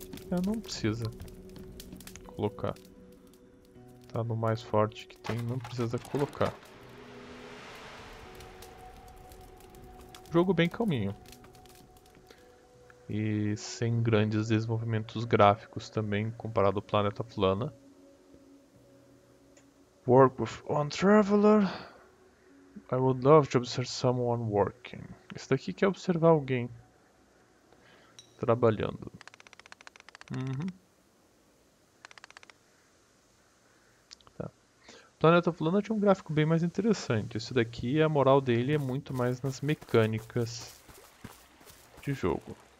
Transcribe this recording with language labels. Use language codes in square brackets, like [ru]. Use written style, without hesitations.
[pt] É, não precisa colocar. Tá no mais forte que tem, não precisa colocar. Jogo bem calminho. E sem grandes desenvolvimentos gráficos também, comparado ao planeta plana. [en] Work with one traveler. I would love to observe someone working. [pt] Isso daqui quer observar alguém trabalhando. Planeta Plana tinha um gráfico bem mais interessante. Isso daqui, a moral dele é muito mais nas mecânicas de jogo.